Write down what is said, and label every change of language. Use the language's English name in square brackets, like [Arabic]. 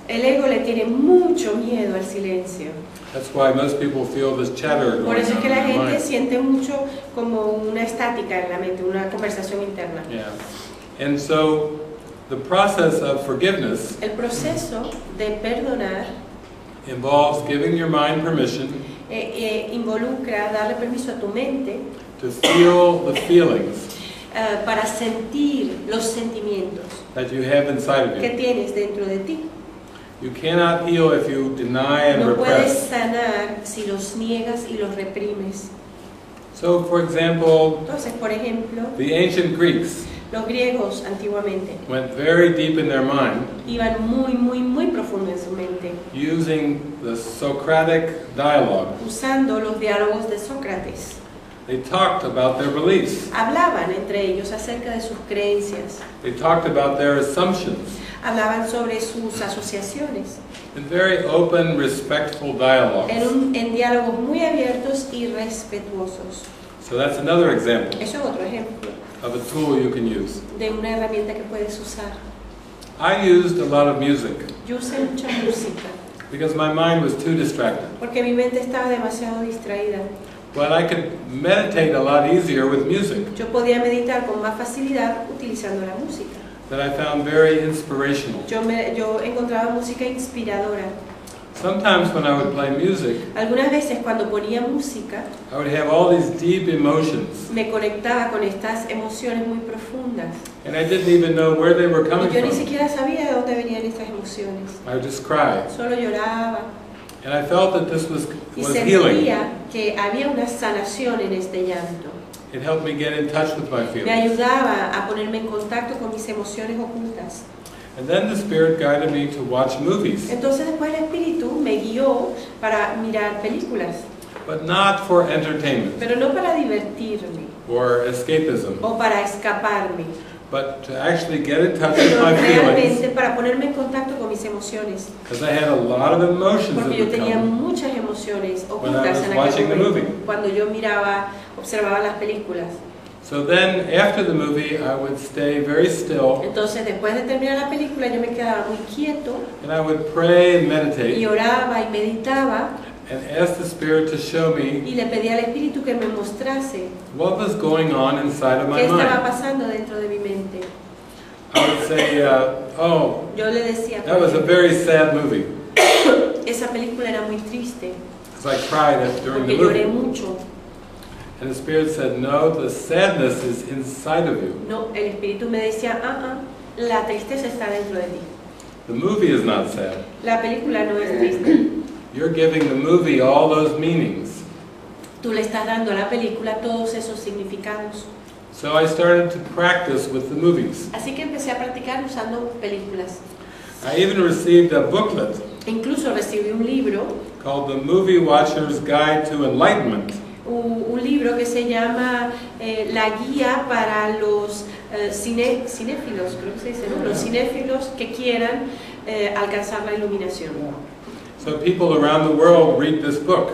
[Spanish] El ego le tiene mucho miedo al silencio. [English] That's why most people feel this chatter going on. [Spanish] Por eso es que la gente siente mucho como una estática en la mente, una conversación interna. [English] Yeah. And so the process of forgiveness, [Spanish] el proceso de perdonar, [English] involves giving your mind permission, [Spanish] involucra darle permiso a tu mente, [English] to feel the feelings, [Spanish] para sentir los sentimientos, [English] that you have inside of you, [Spanish] que tienes dentro de ti. [English] You cannot heal if you deny and repress. [Spanish] No puedes sanar si los niegas y los reprimes. [English] So, for example, [Spanish] entonces, por ejemplo, [English] the ancient Greeks, [Spanish] los griegos antiguamente, [English] went very deep in their mind, [Spanish] iban muy, muy, muy profundo en su mente, [English] using the Socratic dialogue, [Spanish] usando los diálogos de Sócrates. [English] They talked about their beliefs. [Spanish] Hablaban entre ellos acerca de sus creencias. [English] They talked about their assumptions. [Spanish] Hablaban sobre sus asociaciones. [English] In very open, respectful dialogues. [Spanish] En diálogos muy abiertos y respetuosos. [English] So that's another example. [Spanish] Eso es otro ejemplo. [English] Of a tool you can use. [Spanish] De una herramienta que puedes usar. [English] I used a lot of music. [Spanish] Yo usé mucha música. [English] Because my mind was too distracted. [Spanish] Porque mi mente estaba demasiado distraída. [English] But I could meditate a lot easier with music. [Spanish] Yo podía meditar con más facilidad utilizando la música. [English] That I found very inspirational. [Spanish] Yo encontraba música inspiradora. [English] Sometimes when I would play music, [Spanish] algunas veces cuando ponía música, [English] I would have all these deep emotions. [Spanish] Me conectaba con estas emociones muy profundas. [English] And I didn't even know where they were coming from. [Spanish] Y yo ni siquiera sabía de dónde venían estas emociones. [English] I would just cry. [Spanish] Solo lloraba. [English] And I felt that this was healing. [Spanish] Y sentía que había una sanación en este llanto. [English] It helped me get in touch with my feelings. [Spanish] Me ayudaba a ponerme en contacto con mis emociones ocultas. [English] And then the spirit guided me to watch movies. [Spanish] Entonces después el espíritu me guió para mirar películas. [English] But not for entertainment. [Spanish] Pero no para divertirme. [English] Or escapism. [Spanish] O para escaparme. [English] But to actually get in touch with my feelings. [Spanish] Realmente para ponerme en contacto con mis emociones. [English] Because I had a lot of emotions. [Spanish] Porque yo tenía muchas emociones ocultas [English] when I was watching the movie. [Spanish] Cuando yo miraba, observaba las películas. [English] So then, after the movie, I would stay very still. [Spanish] Entonces, después de terminar la película, yo me quedaba muy quieto. [English] And I would pray and meditate. [Spanish] Y oraba y meditaba. [English] And asked the spirit to show me. [Spanish] Y le pedí al espíritu que me mostrase. [English] What was going on inside of my mind? [Spanish] ¿Qué estaba pasando dentro de mi mente? [English] I would say, oh. [Spanish] Yo le decía. [English] That was a very sad movie. [Spanish] Esa película era muy triste. [English] Because I cried during [Spanish] Porque [English] the movie. [Spanish] Lloré mucho. [English] And the spirit said, "No, the sadness is inside of you." [Spanish] No, el espíritu me decía, la tristeza está dentro de ti. [English] The movie is not sad. [Spanish] La película no es triste. [English] You're giving the movie all those meanings. [Spanish] Tú le estás dando a la película todos esos significados. [English] So I started to practice with the movies. [Spanish] Así que empecé a practicar usando películas. [English] I even received a booklet. [Spanish] Incluso recibí un libro. [English] Called The Movie Watcher's Guide to Enlightenment. [Spanish] Un libro que se llama La Guía para los cinéfilos, creo que se dice, ¿no? Los cinéfilos que quieran alcanzar la iluminación. [English] So people around the world read this book.